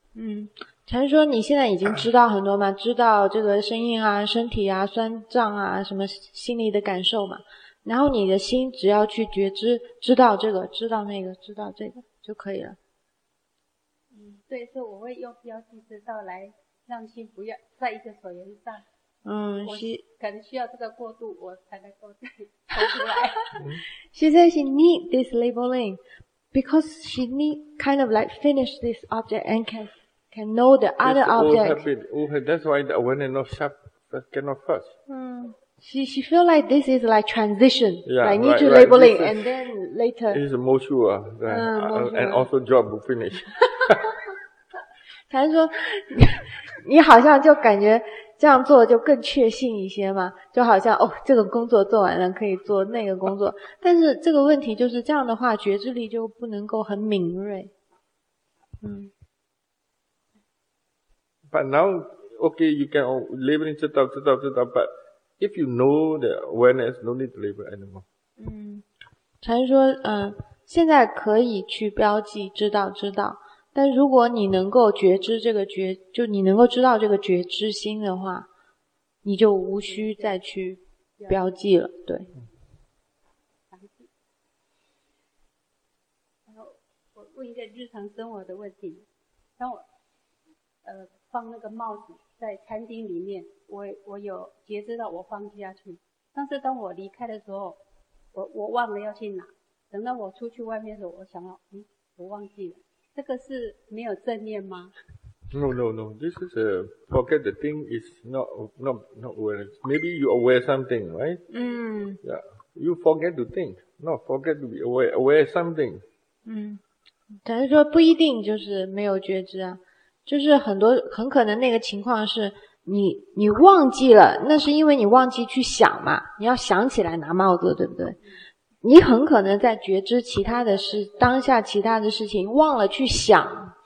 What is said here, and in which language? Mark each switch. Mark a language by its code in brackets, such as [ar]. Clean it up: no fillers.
[zh] 嗯，禅师说你现在已经知道很多嘛，知道这个声音啊、身体啊、酸胀啊、什么心理的感受嘛，然后你的心只要去觉知，知道这个、知道那个、知道这个就可以了。嗯，对，所以我会用标记知道来让心不要在一个所缘上。嗯，可能需要这个过渡，我才能够再抽出来。 [en] She says she need this labeling because she need kind of like finish this object and can know the other object. That's why the awareness not sharp, cannot first. 嗯，she feel like this is like transition, yeah, like need to labeling right, and then later. It is more sure, right? And also job will finish. [zh] 禅师说，你好像就感觉。这样做就更确信一些嘛，就好像哦，这个工作做完了可以做那个工作，但是这个问题就是这样的话，觉知力就不能够很敏锐。嗯。 [en] But now, okay, you can label it, [zh] 知道 [en] but if you know the awareness, no need to label anymore. [zh] 嗯，禅师说，现在可以去标记知道。但如果你能够觉知这个觉，就你能够知道这个觉知心的话，你就无需再去标记了。对。然后我问一个日常生活的问题，当我放那个帽子在餐厅里面，我有觉知到我放下去，但是当我离开的时候，我忘了要去拿，等到我出去外面的时候，我想到，我忘记了，这个是没有正念吗？ [en] No, this is a forget the thing is not aware. Maybe you aware something, right? Yeah. You forget to think, not forget to be aware something. [zh] 但是说不一定就是没有觉知啊，就是很多很可能那个情况是你忘记了，那是因为你忘记去想嘛，你要想起来拿帽子，对不对？你很可能在觉知其他的事，当下其他的事情忘了去想。